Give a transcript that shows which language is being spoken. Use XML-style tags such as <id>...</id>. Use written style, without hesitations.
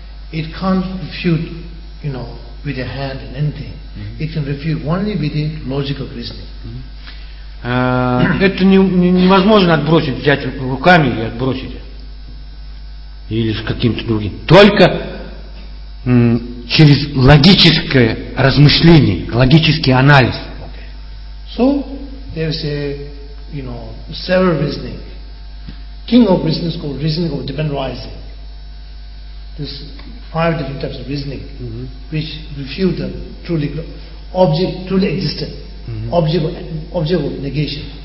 <en>It can't refute, you know, with a hand and anything. It can refute only with a logical reasoning.</en> <ru>Это невозможно отбросить, взять руками и отбросить. Или с каким-то другим. Только через логическое размышление, логический анализ.</ru> <en>So, there's a, you know, several reasoning. King of reasoning is called reasoning of dependent arising. There's five different types of reasoning, which refute the truly object, truly existent, object of negation.</en>